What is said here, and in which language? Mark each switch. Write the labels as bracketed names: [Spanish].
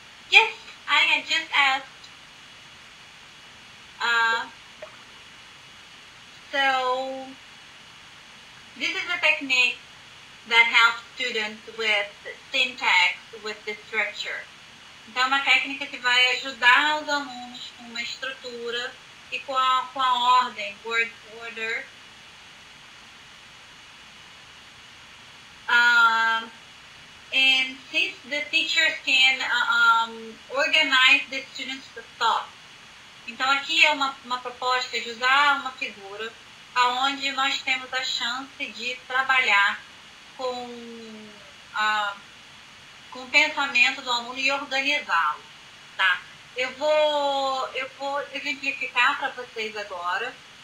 [English] Yes, I had just asked. So, this is a technique that helps students with syntax, with the structure. [Portuguese] Então, é uma técnica que vai ajudar os alunos com uma estrutura e com a ordem, word order. [English] And since the teachers can organize the students' thoughts. [Portuguese] Então, aqui é uma proposta de usar uma figura onde nós temos a chance de trabalhar com o pensamento do aluno e organizá-lo, tá? Eu vou exemplificar para vocês agora.